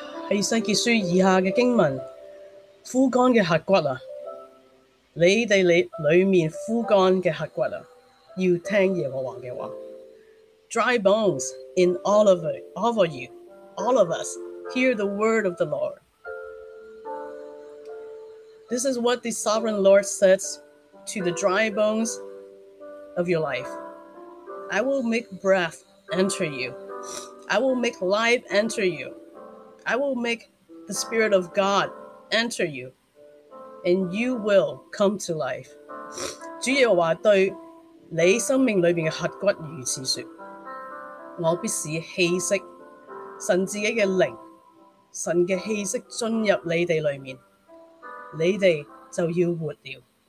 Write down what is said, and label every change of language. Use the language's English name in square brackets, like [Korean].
[Chinese] 以西结书以下的经文，枯干的核骨啊，你们里面枯干的核骨啊，要听耶和华的话。 [English] Dry bones in all of us, hear the word of the Lord. This is what the sovereign Lord says to the dry bones of your life. I will make breath enter you. I will make life enter you. I will make the Spirit of God enter you, and you will come to life. [Chinese] 主耶和华对你生命里面的核骨如此说，我必使气息，神自己的灵，神的气息进入你们里面，你们就要活了。